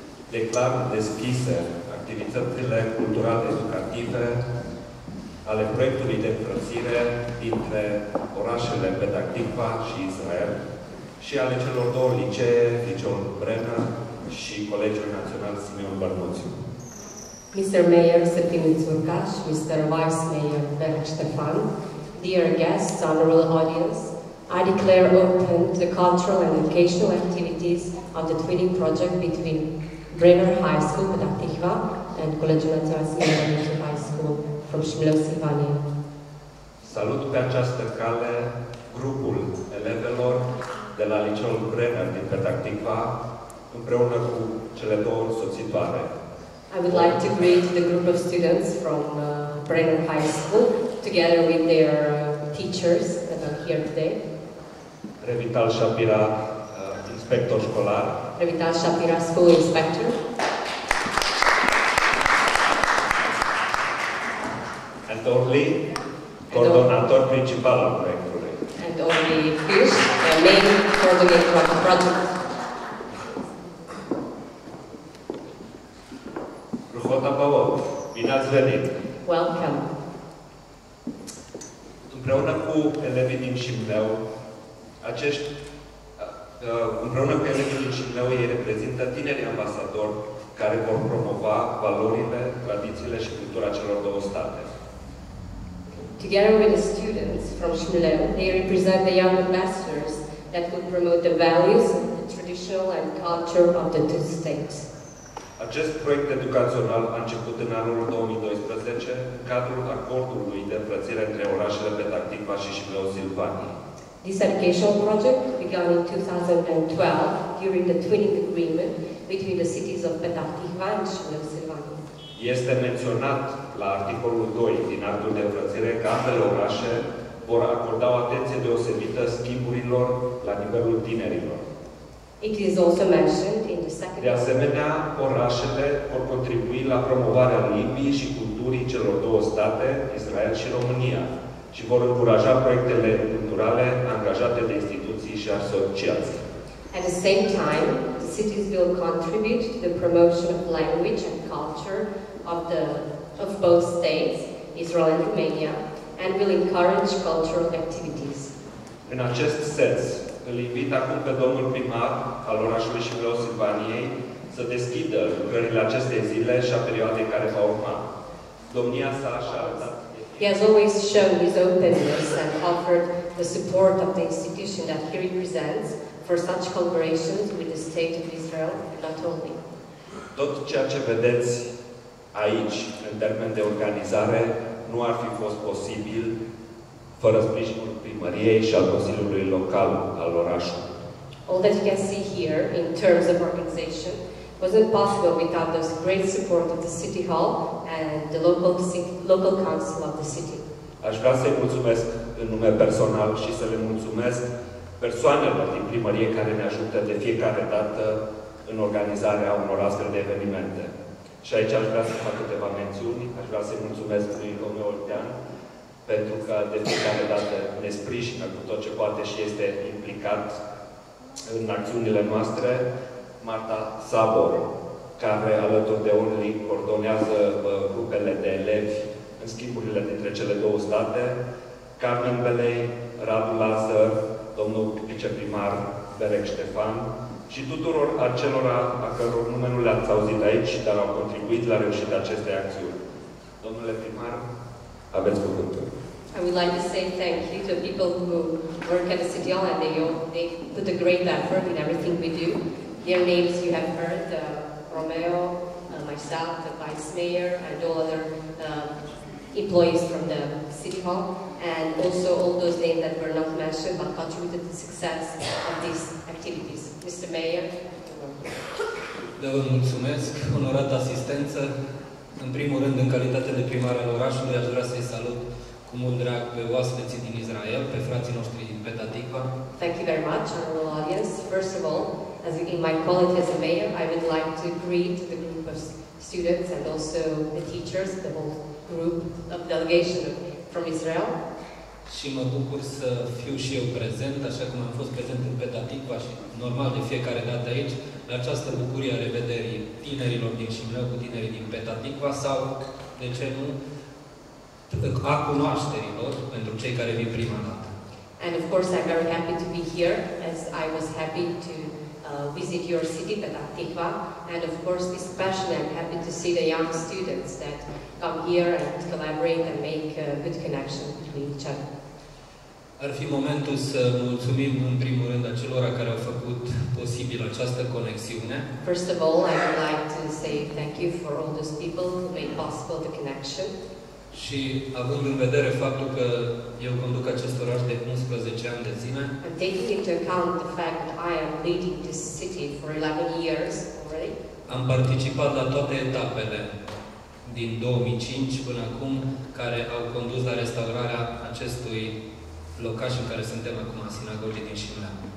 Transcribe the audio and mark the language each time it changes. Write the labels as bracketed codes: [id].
[ro] Declar deschise activitățile culturale-educative ale proiectului de frățire dintre orașele Petah Tikva și Israel și ale celor două licee, Liceul Brenner și Colegiul Național Simeon Bărnuțiu. [en] Mr. Mayor Septimiu Țurcaș, Mr. Vice Mayor Berg Ștefan, dear guests, honorable audience, I declare open the cultural and educational activities of the twinning project between Brenner High School, Petah Tikva, and Colegiul Național Simeon High School from Shimleu, Silvania. [ro] Salut pe această cale grupul elevelor de la Liceul Brenner din Petah Tikva, împreună cu cele două însoțitoare. [en] I would like to greet the group of students from Brenner High School, together with their teachers that are here today. [ro] Revital Shapira, inspector școlar. [en] Revital Shapira, school inspector. [ro] And Orly, coordonator principal al proiectului. [en] And Orly Fish, the main coordinator of the project. [ro] Ruhota Băvot, bine ați venit! [en] Welcome! [ro] Împreună cu elevii din Șimleu, ei reprezintă tinerii ambasadori care vor promova valorile, tradițiile și cultura celor două state. [en] Together with the students from Șimleu, they represent the young ambassadors that will promote the values, the traditional and culture of the two states. [ro] Acest proiect educațional a început în anul 2012 în cadrul acordului de împrățire între orașele Petah Tikva și Șimleu-Silvania. [en] This educational project began in 2012 during the twinning agreement between the cities of Petah Tikva and Șimleu-Silvania. [ro] Este menționat la articolul 2 din actul de împrățire că ambele orașe vor acorda o atenție deosebită schimburilor la nivelul tinerilor. [en] It is also mentioned in the second. [ro] De asemenea, orașele vor contribui la promovarea limbii și culturii celor două state, Israel și România, și vor încuraja proiectele culturale angajate de instituții și asociații. [en] At the same time, the cities will contribute to the promotion of language and culture of both states, Israel and Romania, and will encourage cultural activities. [ro] În acest sens, îl invit acum pe domnul primar al orașului Șimleu-Silvaniei să deschidă lucrările acestei zile și a perioadei care va urma. Domnia sa așa arată. [en] He has always shown his openness and offered the support of the institution that he represents for such collaborations with the State of Israel, not only. [ro] Tot ceea ce vedeți aici, în termen de organizare, nu ar fi fost posibil fără sprijinul primăriei și al consiliului local al orașului. [en] All that you can see here, in terms of organization, wasn't possible without the great support of the City Hall and the local council of the city. [ro] Aș vrea să-i mulțumesc în nume personal și să le mulțumesc persoanelor din primărie care ne ajută de fiecare dată în organizarea unor astfel de evenimente. Și aici aș vrea să fac câteva mențiuni. Aș vrea să-i mulțumesc lui Romeo Oltean, pentru că de fiecare dată ne sprijină cu tot ce poate și este implicat în acțiunile noastre. Marta Sabor, care alături de Only coordonează grupele de elevi în schimburile dintre cele două state. Carmen Belei, Radu Lazăr, domnul viceprimar Berec Ștefan și tuturor acelora a căror nume nu le-ați auzit aici, dar au contribuit la reușita acestei acțiuni. Domnule primar, aveți cuvântul. [en] I would like to say thank you to people who work at the City Hall and they put a great effort in everything we do. Their names you have heard, Romeo, myself, the Vice Mayor, and all other employees from the City Hall, and also all those names that were not mentioned but contributed to the success of these activities. Mr. Mayor. [ro] Da, vă mulțumesc, onorată asistență. În primul rând, în calitate de primar al orașului, aș vrea să-i salut cu mult drag pe oaspeții din Israel, pe frații noștri din Petah Tikva. [en] Thank you very much, honorable audience. First of all, as in my quality as a mayor, I would like to greet the group of students and also the teachers, the whole group of delegation from Israel. [ro] Și mă bucur să fiu și eu prezent, așa cum am fost prezent în Petah Tikva și normal de fiecare dată aici, la această bucurie a revederii tinerilor din Șimleu cu tinerii din Petah Tikva sau, de ce nu, a cunoașterilor pentru cei care vin prima dată. [en] And of course I'm very happy to be here, as I was happy to visit your city, Petah Tikva, and of course especially I'm happy to see the young students that come here and collaborate and make a good connection between each other. [ro] Ar fi momentul să mulțumim în primul rând acelora care au făcut posibil această conexiune. [en] First of all, I would like to say thank you for all those people who made possible the connection. [ro] Și având în vedere faptul că eu conduc acest oraș de 11 ani de zile, [en] and taking into account the fact that I am leading this city for 11 years already, [ro] am participat la toate etapele din 2005 până acum care au condus la restaurarea acestui locaș în care suntem acum, a sinagogii din Șimleu.